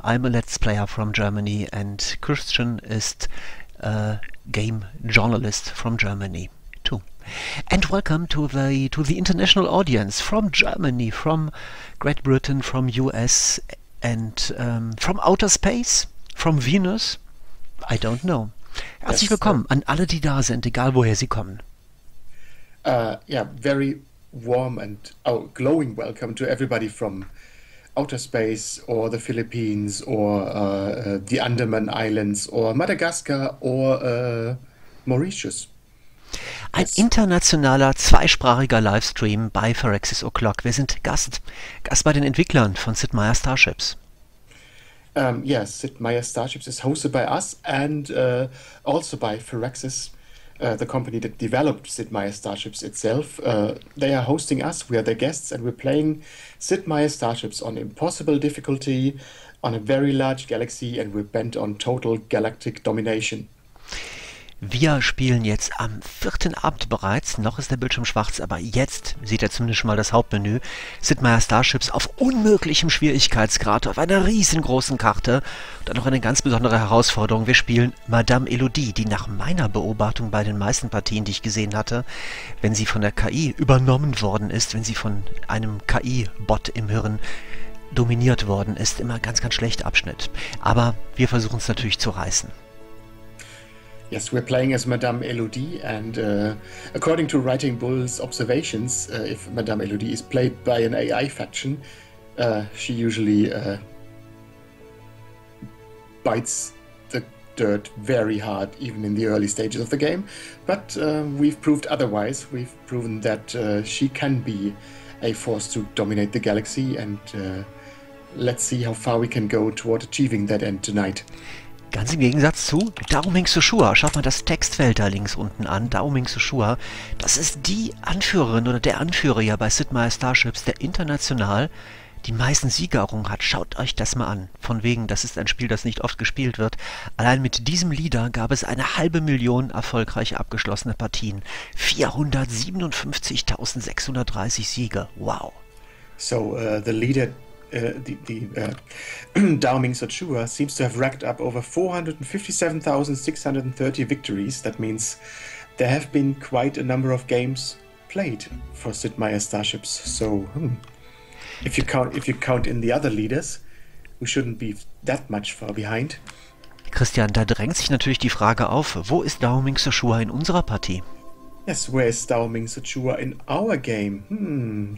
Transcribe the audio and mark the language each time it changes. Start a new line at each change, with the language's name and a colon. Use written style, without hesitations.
English: I'm a Let's Player from Germany, and Christian is a game journalist from Germany too. And welcome to the international audience from Germany, from Great Britain, from US, and from outer space, from Venus. I don't know.
German: Herzlich willkommen an alle, die da sind, egal woher sie kommen.
English: Very warm and glowing welcome to everybody from outer space or the Philippines or the Andaman Islands or Madagascar or Mauritius.
German: Ein internationaler, zweisprachiger Livestream bei Phyrexis O'Clock. Wir sind Gast bei den Entwicklern von Sid Meier Starships.
English: Sid Meier Starships is hosted by us and also by Phyrexis, the company that developed Sid Meier Starships itself. They are hosting us, we are their guests, and we're playing Sid Meier Starships on impossible difficulty on a very large galaxy, and we're bent on total galactic domination.
German: Wir spielen jetzt am 4. Abend bereits, noch ist der Bildschirm schwarz, aber jetzt sieht er zumindest schon mal das Hauptmenü, Sid Meier Starships auf unmöglichem Schwierigkeitsgrad, auf einer riesengroßen Karte und dann noch eine ganz besondere Herausforderung. Wir spielen Madame Elodie, die nach meiner Beobachtung bei den meisten Partien, die ich gesehen hatte, wenn sie von der KI übernommen worden ist, wenn sie von einem KI-Bot im Hirn dominiert worden ist, immer ganz, ganz schlecht abschnitt. Aber wir versuchen es natürlich zu reißen.
English: Yes, we're playing as Madame Elodie, and according to Writing Bull's observations, if Madame Elodie is played by an AI faction, she usually bites the dirt very hard, even in the early stages of the game. But we've proved otherwise. We've proven that she can be a force to dominate the galaxy, and let's see how far we can go toward achieving that end tonight.
German: Ganz im Gegensatz zu Daoming Suxua. Schaut mal das Textfeld da links unten an. Daoming Suxua, das ist die Anführerin oder der Anführer ja bei Sid Meier Starships, der international die meisten Siege errungen hat. Schaut euch das mal an. Von wegen, das ist ein Spiel, das nicht oft gespielt wird. Allein mit diesem Leader gab es eine 500.000 erfolgreich abgeschlossene Partien. 457.630 Siege. Wow.
English: So, the leader... Daoming Suxua seems to have racked up over 457,630 victories. That means there have been quite a number of games played for Sid Meier Starships. So, if you count in the other leaders, we shouldn't be that much far behind.
German: Christian, da drängt sich natürlich die Frage auf: Wo ist Daoming Suxua in unserer Partie?
English: Yes, where is Daoming Suxua in our game?